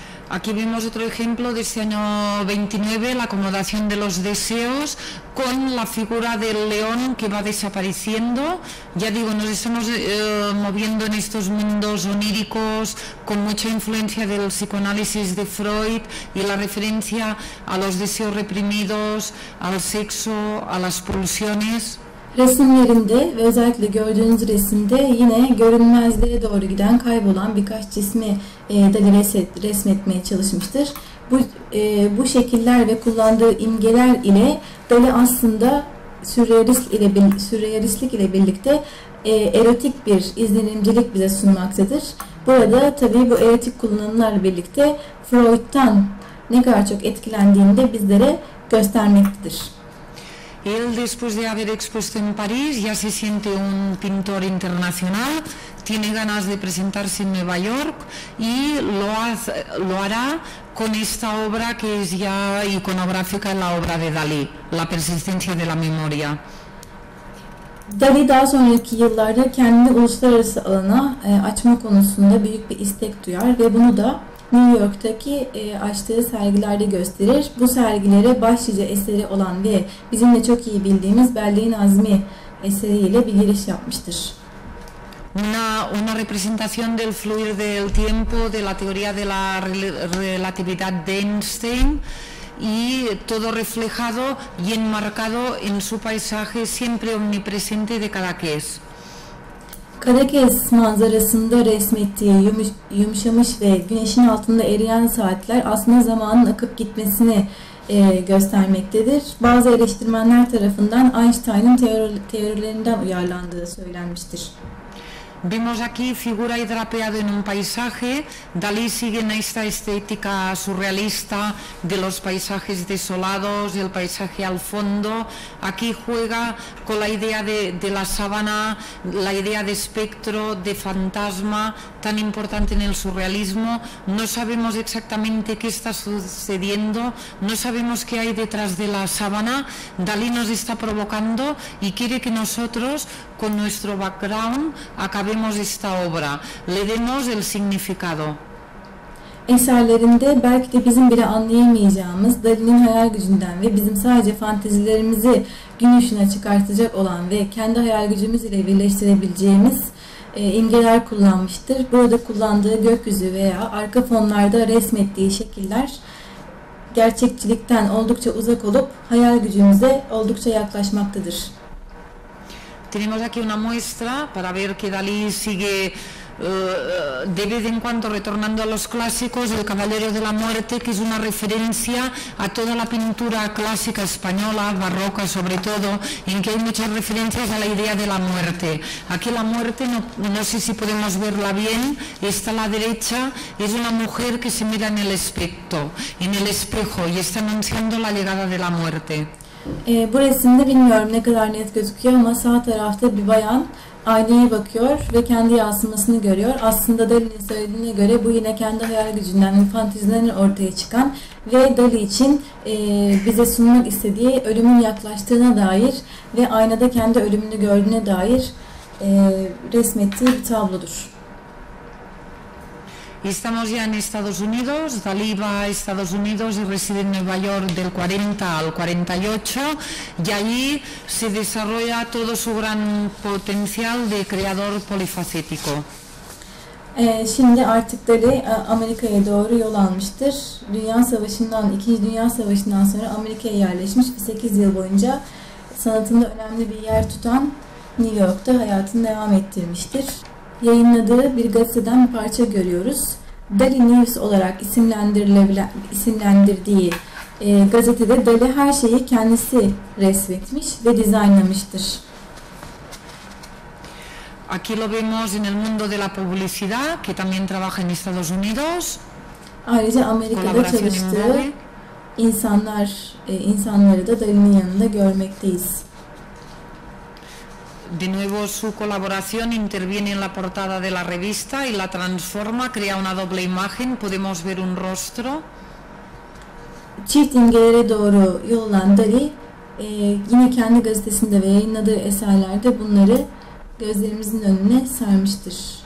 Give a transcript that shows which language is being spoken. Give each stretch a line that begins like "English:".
Spanish: Aquí vemos otro ejemplo de este año 29, la acomodación de los deseos con la figura del león que va desapareciendo. Ya digo, nos estamos moviendo en estos mundos oníricos con mucha influencia del psicoanálisis de Freud y la referencia a los deseos reprimidos, al sexo, a las pulsiones.
Turkish: Resimlerinde ve özellikle gördüğünüz resimde yine görünmezliğe doğru giden kaybolan birkaç cismi da resmetmeye çalışmıştır. Bu şekiller ve kullandığı imgeler ile Dali aslında sürrealistlik ile birlikte erotik bir izlenimcilik bize sunmaktadır. Burada tabii bu erotik kullanımlarla birlikte Freud'tan ne kadar çok etkilendiğini de bizlere göstermektedir.
Spanish: Él, después de haber expuesto en París, ya se siente un pintor internacional, tiene ganas de presentarse en Nueva York y lo hará con esta obra que es ya iconográfica en la obra de Dalí, La persistencia de la memoria.
Turkish: Dalí, daha sonraki yıllarda kendi uluslararası alana açma konusunda büyük bir istek duyar ve bunu da New York'taki açtığı sergilerde gösterir. Bu sergilere başlıca eseri olan ve bizim de çok iyi bildiğimiz Berlin Azmi eseriyle bir giriş yapmıştır.
Spanish: Una representación del fluir del tiempo de la teoría de la relatividad de Einstein y todo reflejado y enmarcado en su paisaje siempre omnipresente de Cadaqués.
Turkish: Karakes manzarasında resmettiği yumuşamış ve güneşin altında eriyen saatler aslında zamanın akıp gitmesini göstermektedir. Bazı eleştirmenler tarafından Einstein'ın teorilerinden uyarlandığı söylenmiştir.
Spanish: Vemos aquí figura hidrapeada en un paisaje. Dalí sigue en esta estética surrealista de los paisajes desolados, el paisaje al fondo. Aquí juega con la idea de la sábana, la idea de espectro, de fantasma, tan importante en el surrealismo. No sabemos exactamente qué está sucediendo, no sabemos qué hay detrás de la sábana. Dalí nos está provocando y quiere que nosotros, con nuestro background, acabemos esta obra, le demos el significado.
Turkish: Eserlerinde belki de bizim bile anlayamayacağımız Dalí'nin hayal gücünden ve bizim sadece fantezilerimizi gün ışığına çıkartacak olan ve kendi hayal gücümüz ile birleştirebileceğimiz imgeler kullanmıştır. Burada kullandığı gökyüzü veya arka fonlarda resmettiği şekiller gerçekçilikten oldukça uzak olup hayal gücümüze oldukça yaklaşmaktadır.
Spanish: Tenemos aquí una muestra para ver que Dalí sigue de vez en cuando retornando a los clásicos, el Caballero de la Muerte, que es una referencia a toda la pintura clásica española, barroca sobre todo, en que hay muchas referencias a la idea de la muerte. Aquí la muerte, no sé si podemos verla bien, está a la derecha, es una mujer que se mira en el espejo, y está anunciando la llegada de la muerte.
Turkish: Bu resimde bilmiyorum ne kadar net gözüküyor ama sağ tarafta bir bayan aynaya bakıyor ve kendi yansımasını görüyor. Aslında Dali'nin söylediğine göre bu yine kendi hayal gücünden, fantezilerinden ortaya çıkan ve Dali için bize sunmak istediği ölümün yaklaştığına dair ve aynada kendi ölümünü gördüğüne dair resmettiği bir tablodur.
Spanish: Estamos ya en Estados Unidos, Dalí va a Estados Unidos y reside en Nueva York del 40 al 48 y allí se desarrolla todo su gran potencial de creador polifacético.
Turkish: Şimdi artık Dalí Amerika'ya doğru yol almıştır. İkinci Dünya Savaşı'ndan sonra Amerika'ya yerleşmiş ve 8 yıl boyunca sanatında önemli bir yer tutan New York'ta hayatını devam ettirmiştir. Yayınladığı bir gazeteden bir parça görüyoruz. Dalí News olarak isimlendirdiği gazetede Dalí her şeyi kendisi resmetmiş ve dizaynlamıştır.
Spanish: Aquí lo vemos en el mundo de la publicidad, que también trabaja en Estados Unidos.
Turkish: Ayrıca Amerika'da çalıştığı insanları da Dalí'nin yanında görmekteyiz.
Spanish: De nuevo su colaboración interviene en la portada de la revista y la transforma, crea una doble imagen, podemos ver un rostro.
Turkish: Çift imgelere doğru yollanan Dalí yine kendi gazetesinde ve yayınladığı eserlerde bunları gözlerimizin önüne sermiştir.